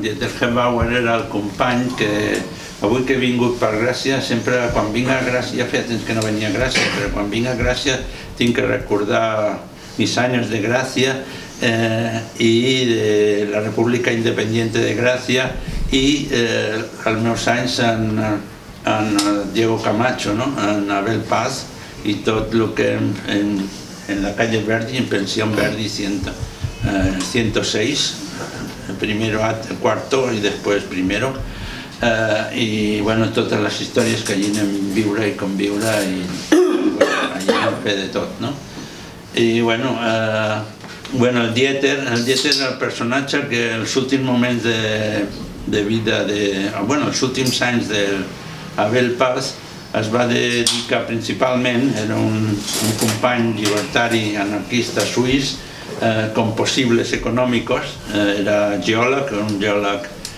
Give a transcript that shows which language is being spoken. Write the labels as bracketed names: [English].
[Catalan] Dieter Gebauer era el company que, avui que he vingut per Gràcia, sempre quan vinc a Gràcia, ja feia temps que no venia a Gràcia, però quan vinc a Gràcia tinc que recordar mis anys de Gràcia i de la República Independiente de Gràcia i els meus anys en Diego Camacho, no? [Spanish] En Abel Paz [Catalan] i tot el que [Spanish] en la calle Verdi, en Pensión Verdi 106, primero, cuarto y después primero. Y bueno, [Catalan] totes les històries que allí anem a viure i conviure i bueno, allí anem a fer de tot, no? I bueno, bueno, el Dieter era el personatge que els últims moments de vida, de, bueno, els últims anys d'Abel Paz es va dedicar principalment, era un company llibertari anarquista suís, con possibles econòmics, era geòleg, un geòleg